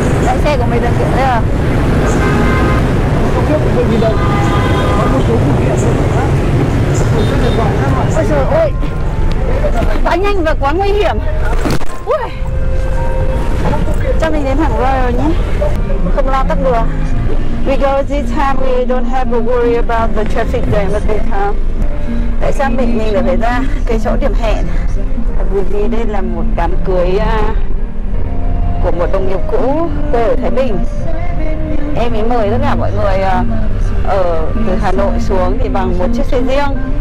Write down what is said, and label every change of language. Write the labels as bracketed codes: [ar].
[vi] Đấy, xe của mình là kiểu đây à. Ôi trời ơi, quá nhanh và quá nguy hiểm. Ui, cho mình đến thẳng Royal nhé. Không lo tắc đường. [en] Because this time we don't have to worry about the traffic jam at this time. [vi] Tại sao mình lại phải ra cái chỗ điểm hẹn? Bởi vì đây là một đám cưới của một đồng nghiệp cũ quê ở Thái Bình. Em ấy mời tất cả mọi người ở từ Hà Nội xuống thì bằng một chiếc xe riêng.